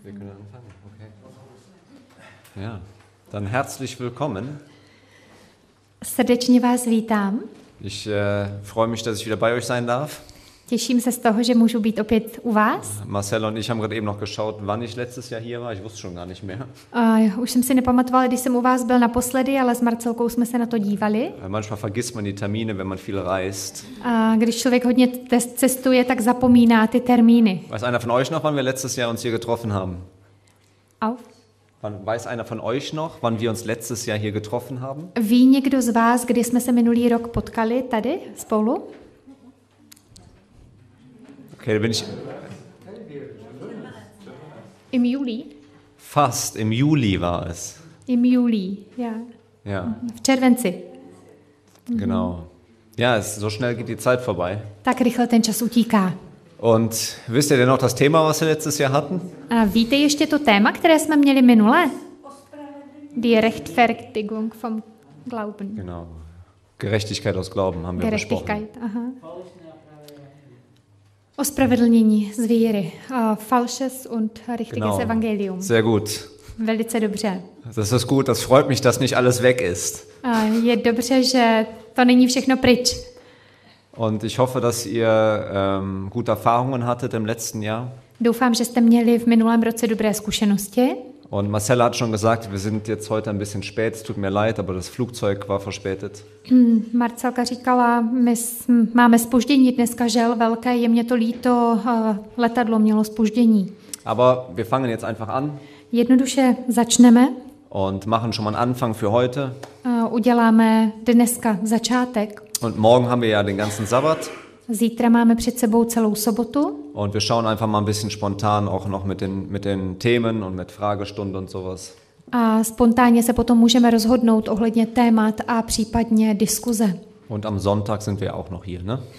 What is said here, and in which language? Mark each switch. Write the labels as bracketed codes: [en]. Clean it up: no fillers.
[de] Wir können anfangen, okay. Ja, dann herzlich willkommen. [cs] Srdečně vás vítám. [de] Ich freue mich, dass ich wieder bei euch sein darf. [cs] Těším se z toho, že můžu být opět u vás. [de] Marcel und ich haben gerade eben noch geschaut, wann ich letztes Jahr hier war. Ich wusste schon gar nicht mehr. [cs] Už jsem si nepamatoval, když jsem u vás byl naposledy, ale s Marcelkou jsme se na to dívali. [de] Manchmal vergisst man die Termine, wenn man viel reist. [cs] Když člověk hodně cestuje, tak zapomíná ty termíny. [de] Weiß einer von euch noch, wann wir letztes Jahr uns hier getroffen haben? Auf. Weiß einer von euch noch, wann wir uns letztes Jahr hier getroffen haben? [cs] Ví někdo z vás, kdy jsme se minulý rok potkali tady spolu? [de] Okay, bin ich im Juli? Fast, im Juli war es. Im Juli, ja. Ja. [cs] V červenci. [de] Genau. Ja, es, so schnell geht die Zeit vorbei. [cs] Tak rychle ten čas utíká. [de] Und wisst ihr denn noch das Thema, was wir letztes Jahr hatten? [cs] A víte ještě to téma, které jsme měli minule? [de] Die Rechtfertigung vom Glauben. Genau. Gerechtigkeit aus Glauben haben wir besprochen. Gerechtigkeit, aha. [cs] Ospravedlnění z víry. [de] Falsches und richtiges genau. Evangelium. Sehr gut. [cs] Velice dobře. [de] Das ist gut, das freut mich, dass nicht alles weg ist. [cs] Je dobře, že to není všechno pryč. [de] Und ich hoffe, dass ihr gute Erfahrungen hattet im letzten Jahr. [cs] Doufám, že jste měli v minulém roce dobré zkušenosti. [de] Und Marcel hat schon gesagt, wir sind jetzt heute ein bisschen spät. Es tut mir leid, aber das Flugzeug war verspätet. [cs] Marcelka říkala, my máme zpoždění dneska, žel velké, je mě to líto, letadlo mělo zpoždění. [de] Aber wir fangen jetzt einfach an. [cs] Jednoduše začneme. [de] Und machen schon mal einen Anfang für heute. [cs] Uděláme dneska začátek. [de] Und morgen haben wir ja den ganzen Sabbat. [cs] Zítra máme před sebou celou sobotu. [de] Und wir schauen einfach mal ein bisschen spontan auch noch mit den Themen und mit Fragestunde und sowas. [cs] A spontánně se potom můžeme rozhodnout ohledně témat a případně diskuze. [de] Und am Sonntag sind wir auch noch hier, ne?